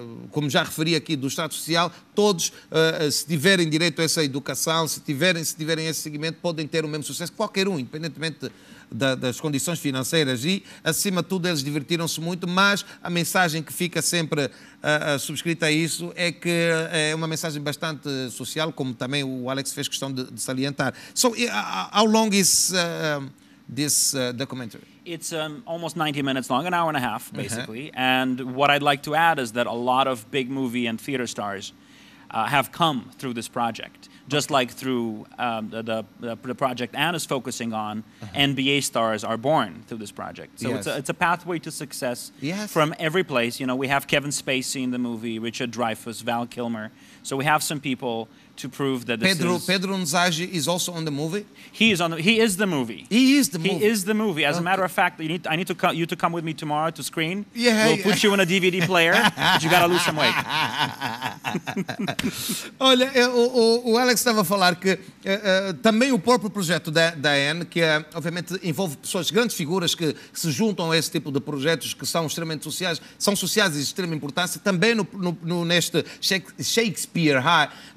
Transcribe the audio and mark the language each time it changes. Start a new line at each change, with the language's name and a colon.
Portuguese: como já referi aqui, do estado social, todos, se tiverem direito a essa educação, se tiverem esse seguimento, podem ter o mesmo sucesso, qualquer um, independentemente das condições financeiras. E, acima de tudo, eles divertiram-se muito, mas a mensagem que fica sempre subscrita a isso é que é uma mensagem bastante social, como também o Alex fez questão de salientar.
English: So, how long is this documentary? It's almost 90 minutes long, an hour and a half, basically. Uh-huh. And what I'd like to add is that a lot of big movie and theater stars have come through this project, just like through the project Anne is focusing on. Uh-huh. NBA stars are born through this project. So it's a pathway to success from every place. You know, we have Kevin Spacey in the movie, Richard Dreyfuss, Val Kilmer. So we have some people to prove that Pedro N'zagi is also on the movie. He is the movie. As a matter of fact, you to come with me tomorrow to screen. Put you in a DVD player, but you gotta lose some weight.
Portuguese: Olha, o Alex estava a falar que também o próprio projeto da Anne, que obviamente envolve pessoas, grandes figuras que se juntam a esse tipo de projetos que são extremamente sociais, e de extrema importância, também neste Shakespeare High.